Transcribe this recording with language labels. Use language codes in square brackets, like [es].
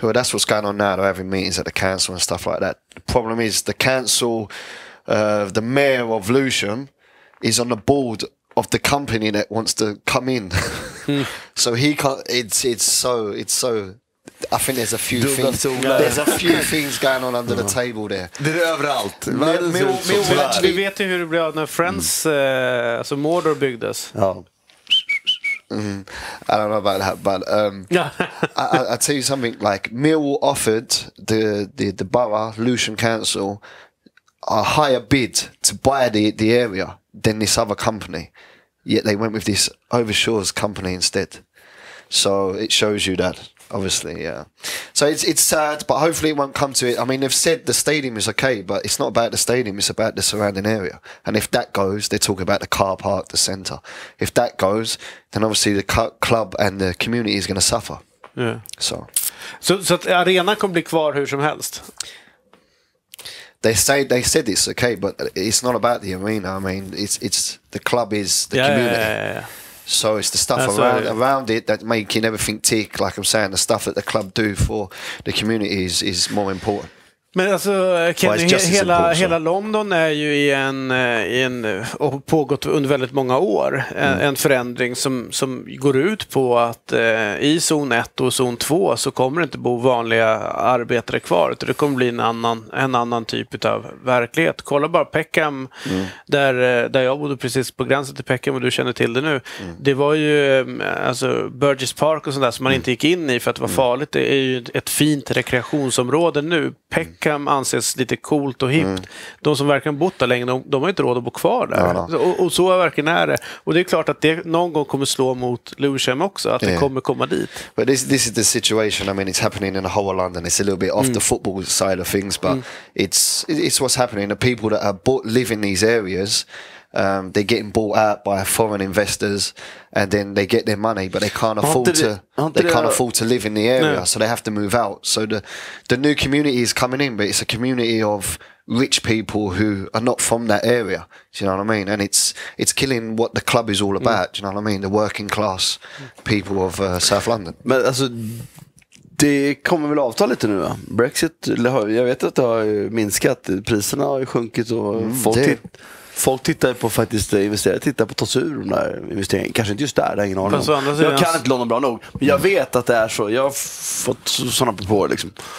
[en] Well, that's what's going on now, though, every meetings at the council and stuff like that. The problem is the council, the mayor of Lewisham is on the board of the company that wants to come in. So he can't, it's so I think there's a few things going on under the table there. [sv] Det är överallt. Vi vet ju hur det blev när Friends alltså Mordor byggdes. Ja. [en] I don't know about that, but I tell you something, like Mill offered the borough, Lewisham Council, a higher bid to buy the area than this other company, yet they went with this Overshores company instead. So it shows you that obviously, yeah. So it's sad, but hopefully it won't come to it. I mean, they've said the stadium is okay, but it's not about the stadium, it's about the surrounding area. And if that goes, they're talking about the car park, the centre. If that goes, then obviously the club and the community is going to suffer. Yeah. [sv] So att arenan kommer bli kvar hur som helst? [en] They said it's okay, but it's not about the arena. I mean, it's the club is the community. Yeah. So it's the stuff around it that making everything tick, like I'm saying, the stuff that the club do for the community is more important. [sv] Men alltså, hela London är ju i en och pågått under väldigt många år en förändring som går ut på att i zon 1 och zon 2 så kommer det inte bo vanliga arbetare kvar, utan det kommer bli en annan typ av verklighet. Kolla bara Peckham, där jag bodde precis på gränsen till Peckham, och du känner till det nu. Det var ju alltså Burgess Park och sånt där som man inte gick in i för att det var farligt. Det är ju ett fint rekreationsområde nu. Peckham anses lite coolt och hippt. De som verkligen bott där länge, de har inte råd att bo kvar där. Och så är verkligen är det. Och det är klart att det någon gång kommer slå mot Lewisham också, att det kommer komma dit. [en] But this is the situation. I mean, it's happening in the whole of London. It's a little bit off the football side of things, but it's what's happening. The people that are live in these areas, they're getting bought out by foreign investors, and then they get their money, but they can't afford to live in the area, so they have to move out. So the new community is coming in, but it's a community of rich people who are not from that area. Do you know what I mean? And it's killing what the club is all about. Do you know what I mean? The working class people of South London. [sv] Men alltså, det kommer väl avta lite nu, va? Brexit, jag vet att det har minskat, priserna har sjunkit och folk tittar på faktiskt investerare, tittar på att ta sig ur de där investeringarna. Kanske inte just där, ingen aning. Jag kan inte låna bra nog, men jag vet att det är så. Jag har fått sådana på liksom.